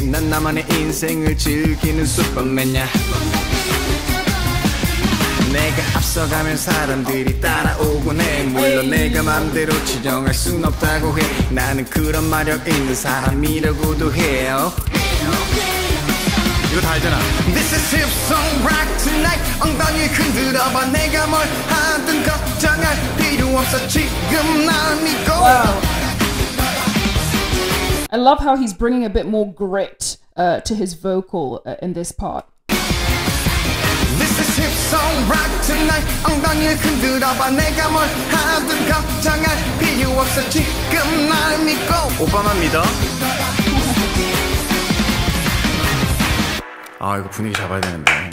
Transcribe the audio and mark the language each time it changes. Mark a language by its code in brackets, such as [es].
[ko] 난 나만의 인생을 즐기는 슈퍼맨이야. 내가 앞서가면 사람들이 따라오곤 해. 물론 내가 맘대로 지정할 순 없다고 해. 나는 그런 마력 있는 사람이라고도 해요. 이거 다 알잖아. [en] This is hip song rock tonight. [ko] 엉덩이 흔들어봐. 내가 뭘 하든 걱정할 필요 없어. 지금 날 믿고. [en] Wow. I love how he's bringing a bit more grit to his vocal in this part. This is hip song rock tonight. [ko] 엉덩이 흔들어봐. 내가 뭘 하든 걱정할 필요 없어. 지금 날 믿고. 오빠만 믿어. 아, 이거 분위기 잡아야 되는데.